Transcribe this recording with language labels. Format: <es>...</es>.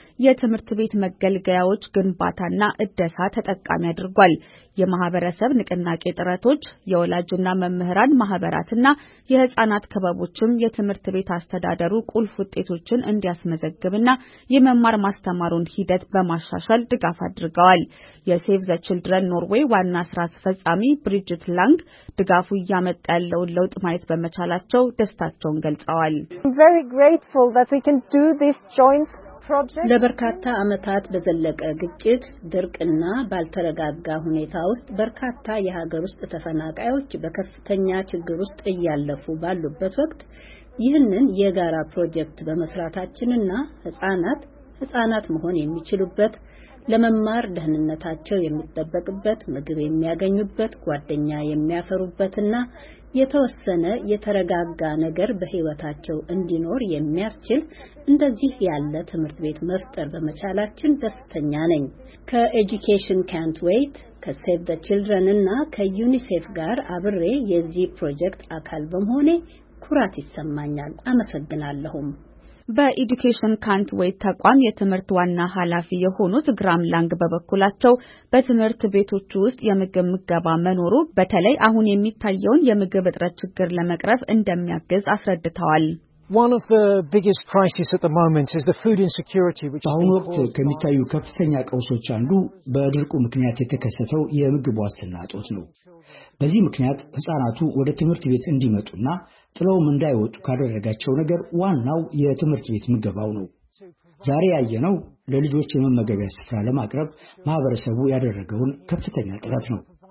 <am>የትምህርት ቤት መገልገያዎች ግንባታና እደሳ ተጠቃሚ አድርጓል። የማህበረሰብ ንቅናቄ ጥረቶች፣ የወላጅና መምህራን ማህበራትና የህፃናት ክበቦችም የትምህርት ቤት አስተዳደሩ ቁልፍ ውጤቶችን እንዲያስመዘግብና የመማር ማስተማሩን ሂደት በማሻሻል ድጋፍ አድርገዋል። የሴቭ ዘ ቺልድረን ኖርዌይ ዋና ስራ አስፈጻሚ ብሪጅት ላንግ ድጋፉ እያመጣ ያለውን ለውጥ ማየት በመቻላቸው ደስታቸውን ገልጸዋል።</am> <en>I'm very grateful that we can do this joint</en> <am>ለበርካታ አመታት በዘለቀ ግጭት፣ ድርቅና ባልተረጋጋ ሁኔታ ውስጥ በርካታ የሀገር ውስጥ ተፈናቃዮች በከፍተኛ ችግር ውስጥ እያለፉ ባሉበት ወቅት ይህንን የጋራ ፕሮጀክት በመስራታችንና ህፃናት መሆን የሚችሉበት ለመማር ደህንነታቸው የሚጠበቅበት ምግብ የሚያገኙበት ጓደኛ የሚያፈሩበትና የተወሰነ የተረጋጋ ነገር በህይወታቸው እንዲኖር የሚያስችል እንደዚህ ያለ ትምህርት ቤት መፍጠር በመቻላችን ደስተኛ ነኝ። ከኤጁኬሽን ካንት ዌት፣ ከሴቭ ዘ ቺልድረን እና ከዩኒሴፍ ጋር አብሬ የዚህ ፕሮጀክት አካል በመሆኔ ኩራት ይሰማኛል። አመሰግናለሁ። በኢዱኬሽን ካንት ዌት ተቋም የትምህርት ዋና ኃላፊ የሆኑት ግራም ላንግ በበኩላቸው በትምህርት ቤቶች ውስጥ የምግብ ምገባ መኖሩ በተለይ አሁን የሚታየውን የምግብ እጥረት ችግር ለመቅረፍ እንደሚያግዝ አስረድተዋል።</am> <en>One of the biggest crises at the moment is the food insecurity which</en> <am>አሁን ወቅት ከሚታዩ ከፍተኛ ቀውሶች አንዱ በድርቁ ምክንያት የተከሰተው የምግብ ዋስትና እጦት ነው። በዚህ ምክንያት ህፃናቱ ወደ ትምህርት ቤት እንዲመጡና ጥለውም እንዳይወጡ ካደረጋቸው ነገር ዋናው የትምህርት ቤት ምገባው ነው። ዛሬ ያየነው ለልጆች የመመገቢያ ስፍራ ለማቅረብ ማህበረሰቡ ያደረገውን ከፍተኛ ጥረት ነው።</am>